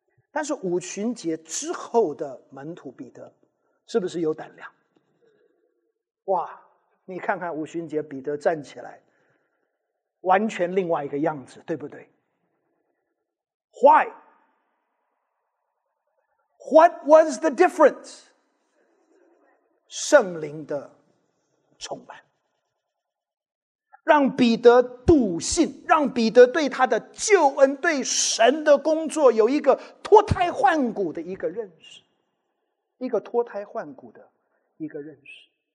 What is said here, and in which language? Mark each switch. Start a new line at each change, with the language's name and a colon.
Chinese: 但是五旬节之后的门徒彼得是不是有胆量？哇，你看看五旬节彼得站起来完全另外一个样子，对不对？
English: Why? What was the difference?
Chinese: 圣灵的充满让彼得笃信，让彼得对他的救恩，对神的工作有一个脱胎换骨的一个认识，一个脱胎换骨的一个认识。